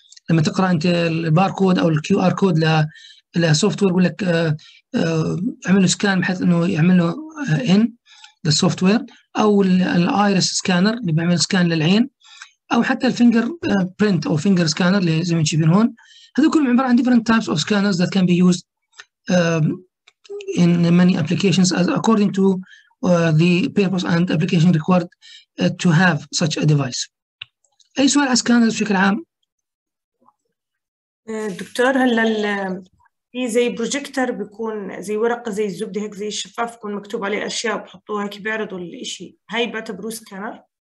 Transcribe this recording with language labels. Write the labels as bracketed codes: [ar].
[ar] لما تقرا انت الباركود او الكيو ار كود للسوفت وير يقول لك اعمل له سكان بحيث انه يعمل له ان للسوفت وير، او الايرس سكانر اللي بيعمل سكان للعين، او حتى الفينجر برينت او فينجر سكانر اللي زي ما تشوفين هون. هذول كلهم عباره عن [en] different types of scanners that can be used in many applications as according to the purpose and application required to have such a device. [ar] اي سؤال على سكانرز بشكل عام؟ دكتور، هلا في زي بروجيكتر بيكون زي ورقة زي الزبدة هيك زي الشفاف، بيكون مكتوب عليه أشياء بحطوها هيك بيعرضوا الإشي، هاي بعتبروه سكانر.